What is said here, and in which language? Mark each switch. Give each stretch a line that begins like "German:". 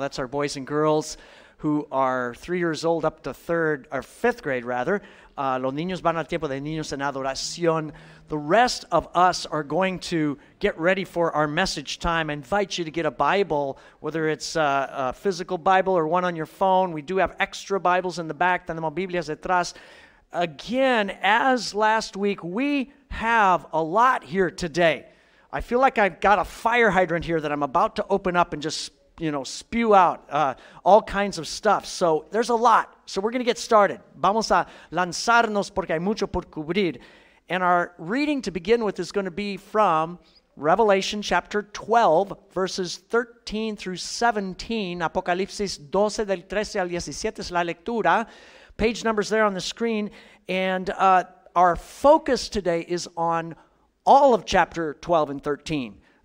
English: That's our boys and girls who are 3 years old up to fifth grade.
Spanish: Los niños van al tiempo de niños en adoración.
English: The rest of us are going to get ready for our message time. I invite you to get a Bible, whether it's a physical Bible or one on your phone. We do have extra Bibles in the back.
Spanish: Tenemos Biblias detrás.
English: Again, as last week, we have a lot here today. I feel like I've got a fire hydrant here that I'm about to open up and just, you know, spew out all kinds of stuff. So there's a lot. So we're going to get started.
Spanish: Vamos a lanzarnos porque hay mucho por cubrir.
English: And our reading to begin with is going to be from Revelation chapter 12, verses 13 through 17.
Spanish: Apocalipsis 12 del 13 al 17 es la lectura.
English: Page numbers there on the screen. And our focus today is on all of chapter 12 and 13.